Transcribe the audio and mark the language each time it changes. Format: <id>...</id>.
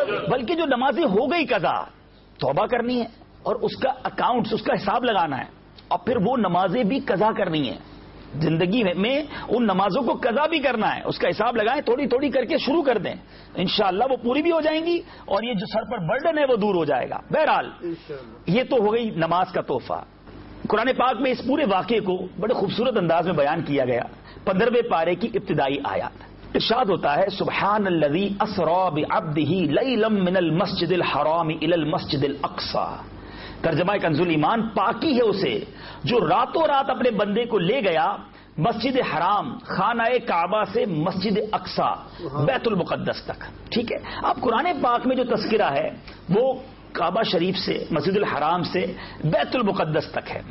<ur>بلکہ جو نمازیں ہو گئی قضا توبہ کرنی ہے اور اس کا اکاؤنٹ, اس کا حساب لگانا ہے, اور پھر وہ نمازیں بھی قضا کرنی ہیں زندگی میں, ان نمازوں کو قضا بھی کرنا ہے, اس کا حساب لگائیں, تھوڑی تھوڑی کر کے شروع کر دیں, انشاءاللہ وہ پوری بھی ہو جائیں گی اور یہ جو سر پر برڈن ہے وہ دور ہو جائے گا. بہرحال یہ تو ہو گئی نماز کا تحفہ. قرآن پاک میں اس پورے واقعے کو بڑے خوبصورت انداز میں بیان کیا گیا, 15ویں پارے کی ابتدائی آیات. ارشاد ہوتا ہے</ur> <ar>سبحان الذی اسرا بعبده لیلا من المسجد الحرام الى المسجد الاقصى.</ar> <ur>ترجمہ کنز الایمان, پاکی ہے اسے جو راتوں رات اپنے بندے کو لے گیا مسجد حرام, خانہ کعبہ سے مسجد اقصا بیت المقدس تک. ٹھیک ہے, اب قرآن پاک میں جو تذکرہ ہے وہ کعبہ شریف سے, مسجد الحرام سے بیت المقدس تک ہے.</ur>